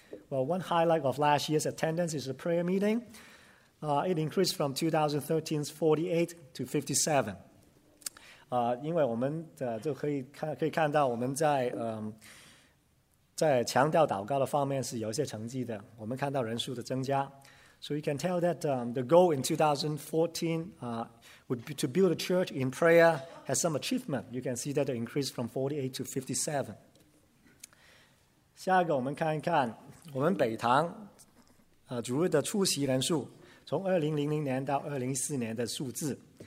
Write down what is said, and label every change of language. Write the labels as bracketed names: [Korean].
[English] Well, one highlight of last year's attendance is a prayer meeting. It increased from 2013's 48 to 57. [Chinese] 因为我们的就可以看到我们在在强调祷告的方面是有一些成绩的。我们看到人数的增加。 [English] So you can tell that the goal in 2014 would be to build a church in prayer has some achievement. You can see that the increase from 48 to 57. [Chinese] 下一个我们看一看我们北堂主日的出席人数从2000年到2014年的数字。